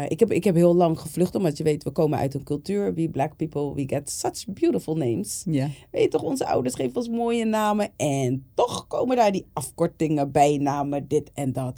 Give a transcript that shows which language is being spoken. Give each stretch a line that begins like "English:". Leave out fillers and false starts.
Dutch: Ik heb heel lang gevlucht, omdat je weet, we komen uit een cultuur.
English: We black people, we get such beautiful names.
Dutch: Ja. Weet toch, onze ouders geven ons mooie namen. En toch komen daar die afkortingen, bijnamen, dit en dat.